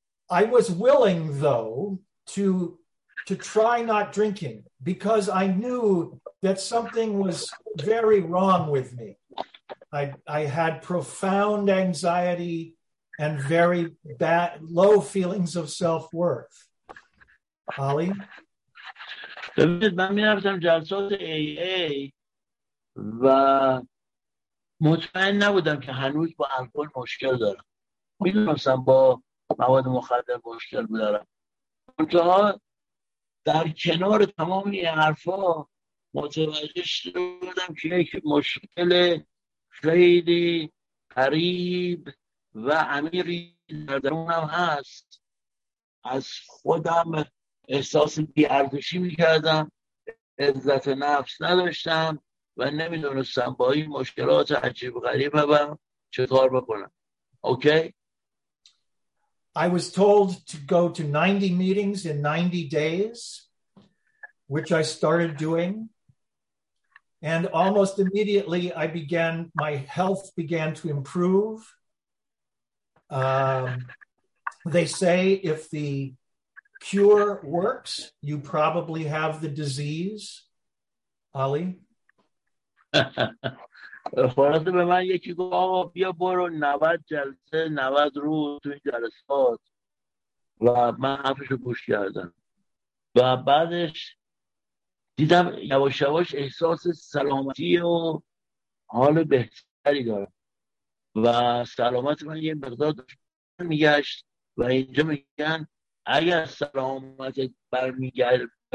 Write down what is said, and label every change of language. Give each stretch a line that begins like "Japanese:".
English: I was willing though to try not drinking because I knew that something was very wrong with me. I had profound anxiety and very bad, low feelings of self-worth. Holly?
Persian: من می‌رفتم جلسات AA و مطمئن نبودم که هنوز با الکل مشکل دارم. می‌دونستم با مواد مخدر مشکل دارم. منتها در کنار تمام این حرفا متوجه شده بودم که یک مشکل خیلی قریب و عمیقی در درونم هست. از خودم احساس بی‌ارزشی می‌کردم، عزت نفس نداشتم و نمی‌دونستم با این مشکلات عجیب غریب هم چطور بکنم.
English: Okay? I was told to go to 90 meetings in 90 days, which I started doing. And almost immediately, my health began to improve. They say if the cure works, you probably have the disease. Ali?
Persian: خلاصه به من یکی گفت آقا بیا برو 90 جلسه 90 روز توی جلسات و من حرفشو گوش کردم و بعدش دیدم یواش یواش احساس سلامتی و حال بهتری دارم و سلامت من یه مقدار میگشت و اینجا میگن اگر سلامتت برمیگرده